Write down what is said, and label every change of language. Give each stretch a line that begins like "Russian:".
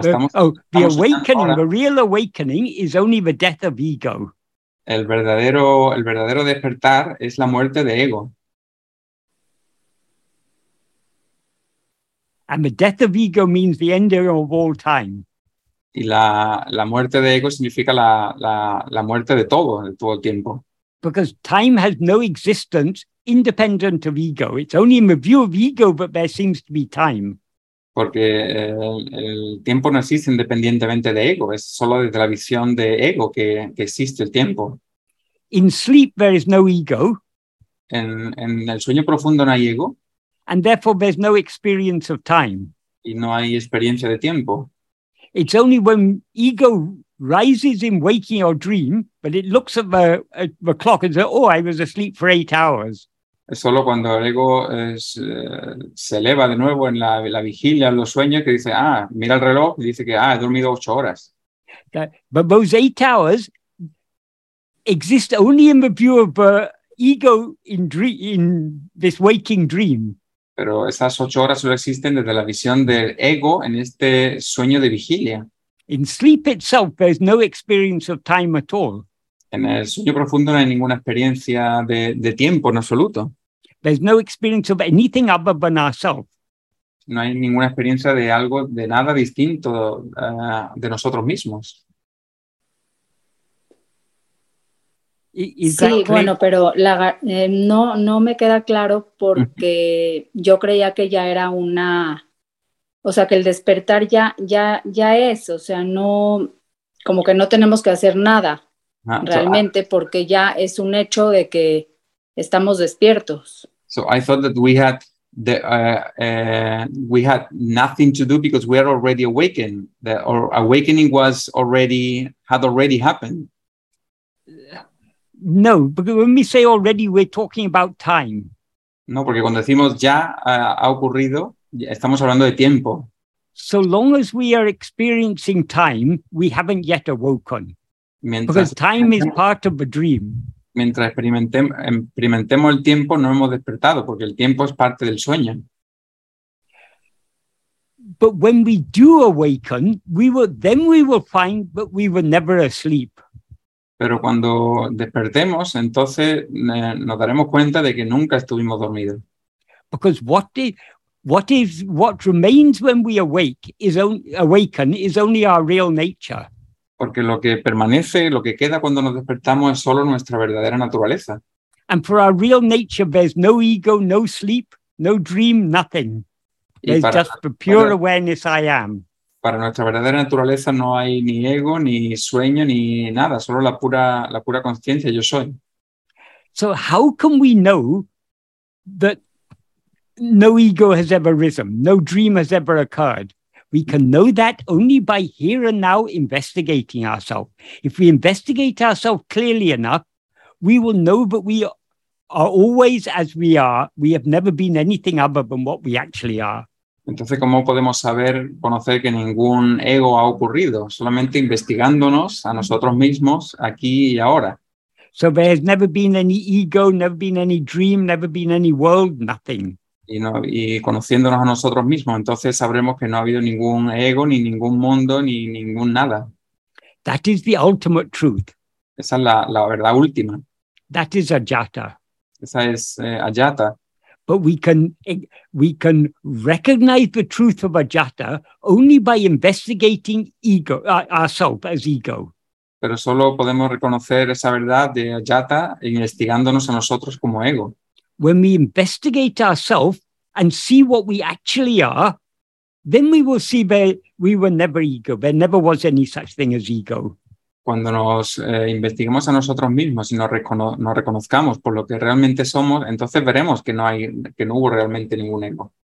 English: the awakening, the real awakening is only the death of ego.
Spanish: El verdadero despertar es la muerte de ego.
English: And the death of ego means the end of all time.
Spanish: Y la muerte de ego significa la muerte de todo el tiempo.
English: because time has no existence independent of ego. It's only in the view of ego that there seems to be time.
Spanish: Porque el tiempo no existe independientemente de ego. Es solo desde la visión de ego que existe el tiempo.
English: In sleep, there is no ego.
Spanish: En el sueño profundo no hay ego.
English: And therefore, there's no experience of time.
Spanish: Y no hay experiencia de tiempo.
English: It's only when ego rises in waking or dream, but it looks at the clock and says, oh, I was asleep for 8 hours.
Spanish: Es solo cuando el ego se eleva de nuevo en la vigilia, en los sueños, que dice, ah, mira el reloj, y dice que, ah, he dormido 8 horas.
English: But those 8 hours exist only in the view of the ego in this waking dream.
Spanish: Pero esas 8 horas solo existen desde la visión del ego en este sueño de vigilia.
English: In sleep itself, there's no experience of time at all.
Spanish: En el sueño profundo no hay ninguna experiencia de tiempo en absoluto.
English: There's no experience of anything other than ourselves.
Spanish: No hay ninguna experiencia de algo, de nada distinto de nosotros mismos. Sí, bueno, pero no me queda claro porque yo creía que ya era una, o sea, que el despertar ya es, o sea, no, como que no tenemos que hacer nada realmente porque ya es un hecho de que estamos despiertos.
English: So I thought that we had nothing to do because we are already awakened, that our awakening had already happened. No, because when we say already, we're talking about time.
Spanish: No, porque cuando decimos ya ha ocurrido, estamos hablando de tiempo.
English: So long as we are experiencing time, we haven't yet awoken. Because time is part of the dream.
Spanish: Mientras experimentemos el tiempo, no hemos despertado, porque el tiempo es parte del sueño.
English: But when we do awaken, we will find that we were never asleep.
Spanish: Pero cuando despertemos, entonces nos daremos cuenta de que nunca estuvimos dormidos.
English: Because what remains when we awaken is only our real nature.
Spanish: Porque lo que permanece, lo que queda cuando nos despertamos es solo nuestra verdadera naturaleza.
English: And for our real nature, there's no ego, no sleep, no dream, nothing. There's just the pure awareness I am.
Spanish: Para nuestra verdadera naturaleza no hay ni ego, ni sueño, ni nada, solo la pura conciencia, yo soy.
English: So how can we know that no ego has ever risen, no dream has ever occurred? We can know that only by here and now investigating ourselves. If we investigate ourselves clearly enough, we will know that we are always as we are. We have never been anything other than what we actually are.
Spanish: Entonces, ¿cómo podemos saber, conocer que ningún ego ha ocurrido? Solamente investigándonos a nosotros mismos aquí y ahora.
English: So there's never been any ego, never been any dream, never been any world, nothing.
Spanish: Y conociéndonos a nosotros mismos, entonces sabremos que no ha habido ningún ego, ni ningún mundo, ni ningún nada.
English: That is the ultimate truth.
Spanish: Esa es la verdad última.
English: That is Ajata.
Spanish: Esa es Ajata.
English: But we can recognize the truth of Ajata only by investigating ego ourselves as ego.
Spanish: Pero solo podemos reconocer esa verdad de Ajata investigándonos a nosotros como ego.
English: When we investigate ourselves and see what we actually are, then we will see that we were never ego. There never was any such thing as ego.
Spanish: Cuando nos investiguemos a nosotros mismos y nos reconozcamos por lo que realmente somos, entonces veremos que no hubo realmente ningún ego.